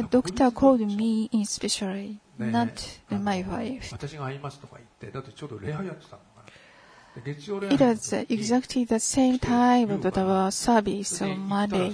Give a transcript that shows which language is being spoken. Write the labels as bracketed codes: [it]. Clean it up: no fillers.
[en] The doctor called me in specially, not my wife. [ja] 私が会いますとか言って、だってちょうど礼拝やってたのかな。月曜礼拝。 [en] It was exactly the same time of our service on Monday.